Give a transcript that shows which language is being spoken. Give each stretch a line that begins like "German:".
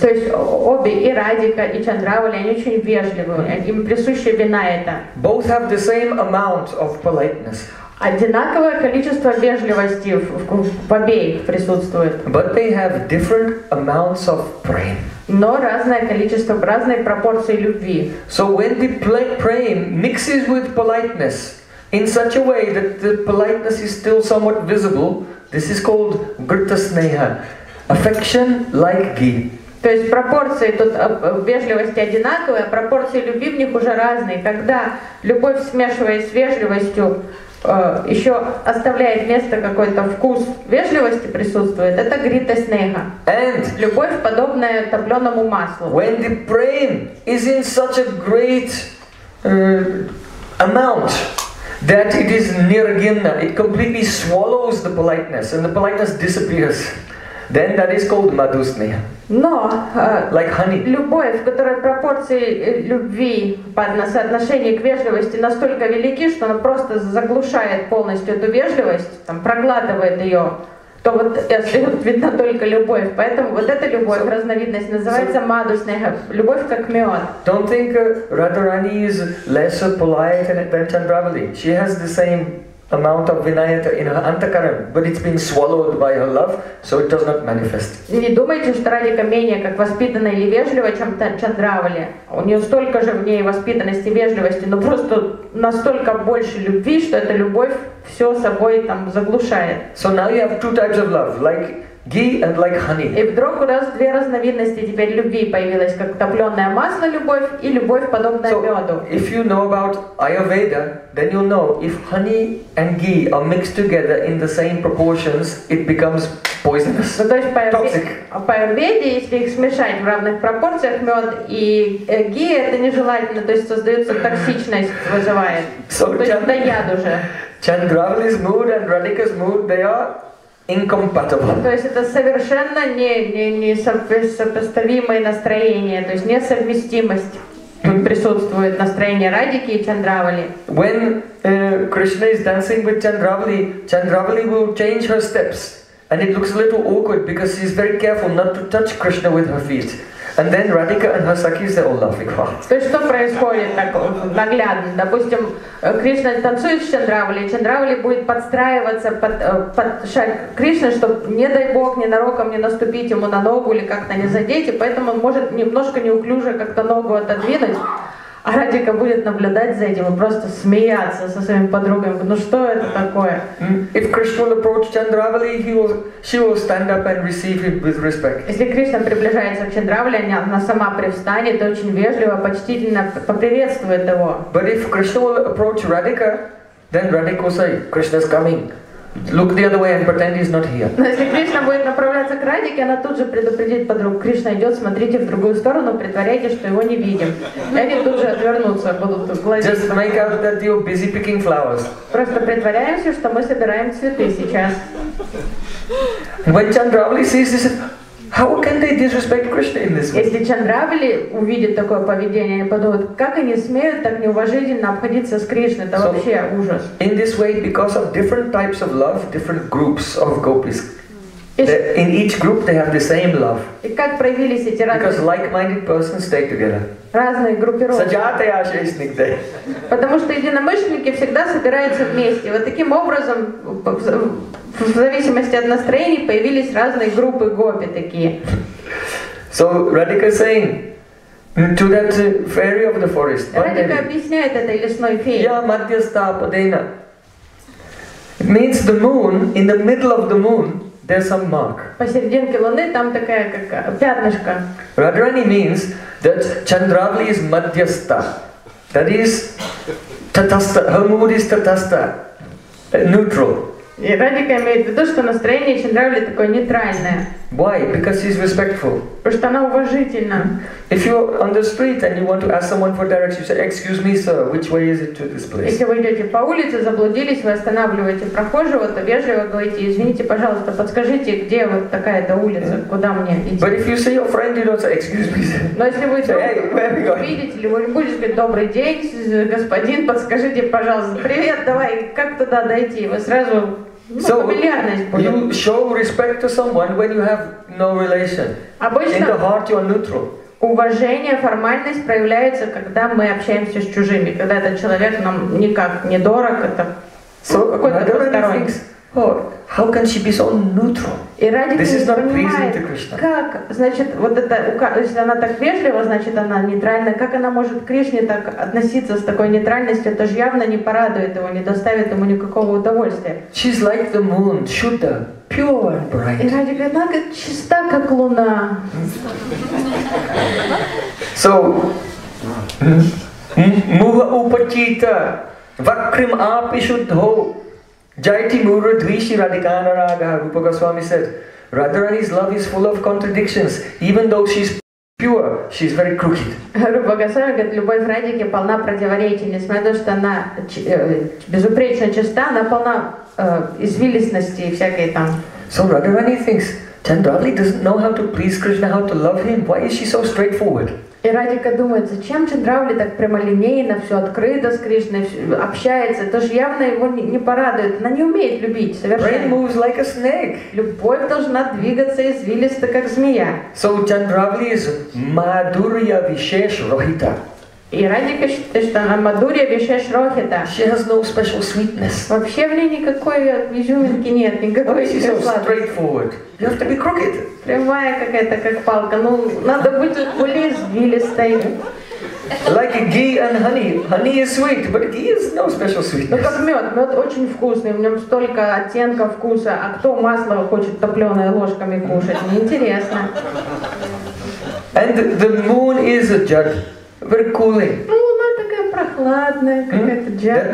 Russian: То есть обе и Радика и Чандравали они очень вежливые, им присуще винаята.
English: Both have the same amount of politeness.
Russian: Одинаковое количество вежливости в обеих присутствует.
English: But they have different amounts of prem.
Russian: Но разное количество, разные пропорции любви.
English: So when the prem mixes with politeness in such a way that the politeness is still somewhat visible, this is called grita sneha. Affection like ghee.
Russian: То есть пропорции тут вежливости одинаковые, а пропорции любви в них уже разные. Когда любовь, смешиваясь с вежливостью, еще оставляет место какой-то вкус вежливости присутствует, это grita sneha.
English: And
Russian: любовь, подобная топленому маслу.
English: When the prem is in such a great amount, that it is nirgina, it completely swallows the politeness and the politeness disappears. Then that is called Madhu Sneha.
Russian: Но
English: like honey.
Russian: Любовь, в которой пропорции любви по соотношению к вежливости настолько велики, что она просто заглушает полностью эту вежливость, там, проглатывает ее, то вот видна только любовь. Поэтому вот эта любовь, so, разновидность, называется so, Madhu Sneha, любовь как мед.
English: Don't think Radharani is less polite than Chandravali. She has the same amount of vinayata in her antakaram, but it's being swallowed by her love, so it does not manifest.
Russian: Не думайте, что ради камня, как воспитанная или вежливая, чем Чандравали. У нее столько же в ней воспитанности, вежливости, но просто настолько больше любви, что эта любовь все собой там заглушает.
English: So now you have two types of love, like ghee and like honey.
Russian: И вдруг у нас две разновидности теперь любви появилась, как топленое масло любовь и любовь подобная меду.
English: If you know about Ayurveda, then you know if honey and ghee are mixed together in the same proportions, it becomes poisonous.
Russian: Ну, то есть по Аюрведе, если их смешать в равных пропорциях, мед и ghee, это нежелательно, то есть создается токсичность, вызывает.
English: So,
Russian: то есть это яд уже.
English: Chandravali's mood and Radhika's mood, they are incompatible.
Russian: То есть это совершенно несопоставимое настроение, то есть несовместимость. Тут присутствует настроение Радики и Чандравали.
English: When Krishna is dancing with Chandravali, Chandravali will change her steps, and it looks a little awkward because she's very careful not to touch Krishna with her feet. And then Radhika and her sakis, they're all laughing.
Russian: То есть что происходит так наглядно? Допустим, Кришна танцует с Чандравали, и Чандравали будет подстраиваться под шаг Кришны, чтобы, не дай бог, ненароком не наступить ему на ногу или как-то не задеть, и поэтому он может немножко неуклюже как-то ногу отодвинуть, а Радика будет наблюдать за этим и просто смеяться со своим подругами. Ну что это такое?
English: If Krishna approached Chandravali, she will stand up and receive him with respect.
Russian: Если Кришна приближается к Чандравали, она сама привстанет, очень вежливо, почтительно поприветствует его.
English: But if Krishna will approach Radhika, then Radhika will say, Krishna's coming. Look the other way and pretend he's not here.
Russian: Но если Кришна будет направляться к Радике, она тут же предупредит подругу: Кришна идет, смотрите в другую сторону, притворяйтесь, что его не видим. И они тут же отвернутся, будут глазеть.
English: Just make out that you're busy picking flowers.
Russian: Просто притворяемся, что мы собираем цветы сейчас.
English: When Chandravali sees this, how can they disrespect Krishna in this way?
Russian: Если Чандравали увидит такое поведение, они подумают, как они смеют так неуважительно обходиться с Кришной? Это вообще ужас.
English: In this way, because of different types of love, different groups of gopis. In each group, they have the same love.
Russian: И как проявились эти разные?
English: Because like-minded persons stay together.
Russian: Разные группировки.
Sanskrit: Саджатая шесник дэй.
Russian: Потому что единомышленники всегда собираются вместе. Вот таким образом, в зависимости от настроений, появились разные группы гопи такие.
English: So Radhika is saying to that fairy of the forest.
Russian: Radhika объясняет этой лесной фее.
Sanskrit: Я мадьяста падена.
English: It means the moon, in the middle of the moon, there's some mark.
Russian: Посерединке луны там такая как пятнышко.
English: Radharani means that Chandravali is madhyastha. That is tatastha. Her mood is tatastha. Neutral.
Russian: И Радика имеет в виду, что настроение Чандравали такое нейтральное.
English: Why? Because she's respectful.
Russian: Потому что она уважительна.
English: If you're on the street and you want to ask someone for directions, you say, excuse me, sir, which way is it to this place?
Russian: Если вы идете по улице, заблудились, вы останавливаете прохожего, то вежливо говорите, извините, пожалуйста, подскажите, где вот такая-то улица, yeah. Куда мне идти?
English: But if you see your friend, you don't say, excuse me, sir.
Russian: Но если вы увидите, или вы будете говорить, добрый день, господин, подскажите, пожалуйста, привет, давай, как туда дойти? Вы сразу...
English: So you show respect to someone when you have no relation.
Russian: Обычно
English: in the heart you are neutral.
Russian: Уважение, формальность проявляется, когда мы общаемся с чужими, когда этот человек нам никак не дорог, это
English: so
Russian: какой-то посторонний.
English: How can she be so neutral?
Russian: И Радика
English: this is
Russian: не понимает,
English: not pleasing to Krishna.
Russian: Как, значит, вот это, если она так вежлива, значит, она нейтральна. Как она может к Кришне так относиться с такой нейтральностью? Это же явно не порадует его, не доставит ему никакого удовольствия.
English: She's like the moon, shuddha, pure and bright.
Russian: И Радика, она как чиста, как луна.
Sanskrit: So, муха упачита, вакрим апи шуддхо. Jayati Mura Dvishi Radhikana Raga,
English: Rupa Goswami said, Radharani's love is full of contradictions. Even though she's pure, she's very crooked.
Russian: Rupa Goswami говорит, любовь Радики полна противоречий. Несмотря на то, что она безупречно чиста, она полна извилистности и всякой там.
English: So Radharani thinks, Chandravali doesn't know how to please Krishna, how to love him. Why is she so straightforward?
Russian: И Радика думает, зачем Чандравали так прямолинейно, все открыто с Кришной, общается, это же явно его не порадует. Она не умеет любить совершенно.
English: Brain moves like a snake.
Russian: Любовь должна двигаться извилисто, как змея.
English: So Chandravali is madhurya vishesh rohita. She has no special sweetness.
Russian: Вообще в ней никакой изюминки нет, никакой сладости.
English: She's so straightforward. You have to be crooked.
Russian: Прямая какая-то, как палка. Ну, надо быть извилистой.
English: Like ghee and honey. Honey is sweet, but ghee is no special sweetness.
Russian: Ну как мед. Мед очень вкусный. В нем столько оттенков вкуса. А кто масло хочет топленое ложками кушать? Неинтересно.
English: And the moon is a jug. Very cooling.
Russian: Луна такая прохладная, какая-то джад.